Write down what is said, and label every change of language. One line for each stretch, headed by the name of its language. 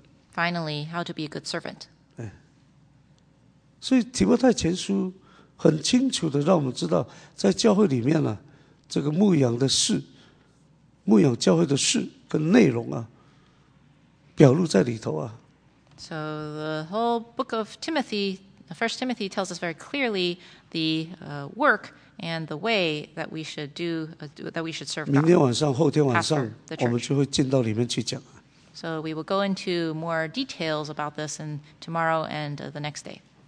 English: Finally, how to be a good servant.
Chinese: 所以提摩太前书很清楚地让我们知道，在教会里面呢，这个牧养的事、牧养教会的事跟内容啊，表露在里头啊。
English: So the whole book of Timothy, the First Timothy tells us very clearly the work and the way that we should do, that we should serve God.
Chinese: 明天晚上、后天晚上，我们就会进到里面去讲。
English: So we will go into more details about this in tomorrow and the next day.